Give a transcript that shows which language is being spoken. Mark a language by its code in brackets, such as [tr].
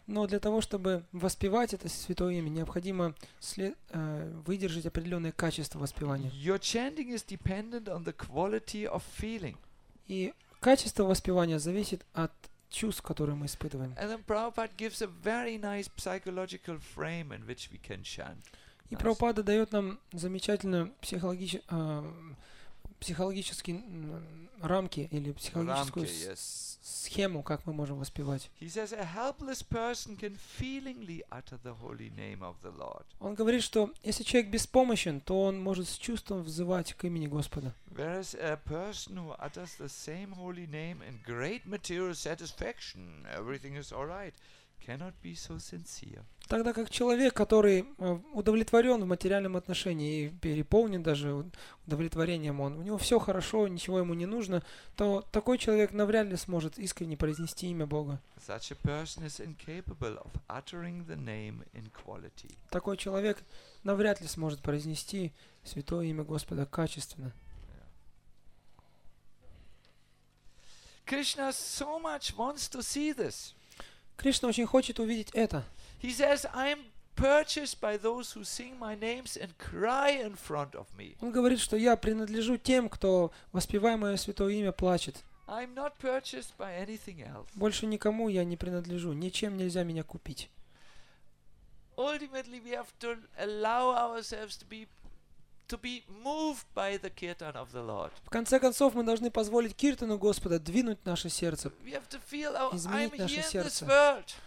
[ru] Но для того, чтобы воспевать это святое имя, необходимо выдержать определенные качества воспевания. [en] Your chanting is dependent on the quality of feeling. [ru] И качество воспевания зависит от чувств, которые мы испытываем. [en] And then Prabhupada gives a very nice psychological frame in which we can chant. [ru] И Прабхупада дает нам замечательную психологические рамки или психологическую схему, как мы можем воспевать. [en] He says, a helpless person can feelingly utter the holy name of the Lord. [ru] Он говорит, что если человек беспомощен, то он может с чувством взывать к имени Господа. [en] Whereas a person who utters the same holy name in great material satisfaction, everything is all right, cannot be so sincere. [ru] Тогда как человек, который удовлетворен в материальном отношении и переполнен даже удовлетворением, он, у него все хорошо, ничего ему не нужно, то такой человек навряд ли сможет искренне произнести имя Бога. [en] Such a person is incapable of uttering the name in quality. [ru] Такой человек навряд ли сможет произнести святое имя Господа качественно. [en] Krishna so much wants to see this. [ru] Кришна очень хочет увидеть это. [en] He says, "I am purchased by those who sing my names and cry in front of me." [ru] Он говорит, что я принадлежу тем, кто воспевая мое святое имя плачет. [en] I'm not purchased by anything else. [ru] Больше никому я не принадлежу, ничем нельзя меня купить. [en] Ultimately, we have to allow ourselves to be moved by the kirtan of the Lord. [ru] В конце концов, мы должны позволить киртану Господа двинуть наше сердце, изменить наше сердце.